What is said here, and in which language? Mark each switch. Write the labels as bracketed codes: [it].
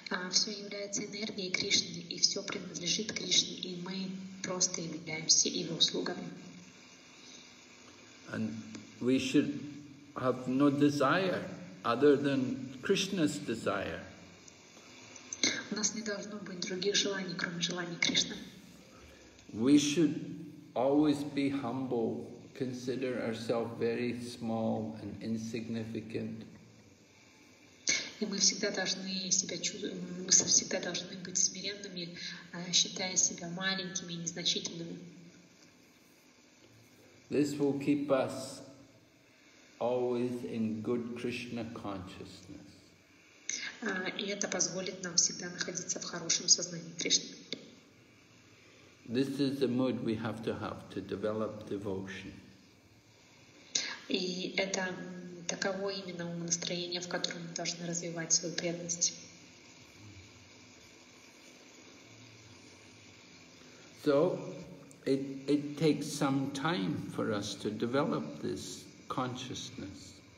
[ru] Все является энергией Кришны, и все принадлежит Кришне, и мы просто являемся Его слугами. [en] And we should have no desire other than Krishna's desire. [ru] У нас не должно быть других желаний, кроме желаний Кришны. [en] We should always be humble, consider ourselves very small and insignificant. [ru] И мы всегда должны себя всегда должны быть смиренными, считая себя маленькими и незначительными. [en] This will keep us always in good Krishna consciousness. [ru] И это позволит нам всегда находиться в хорошем сознании Кришны. [en] This is the mood we have to develop devotion. [ru] И это таково именно настроение, в котором мы должны развивать свою преданность. [en] So, it takes some time for us to develop this consciousness.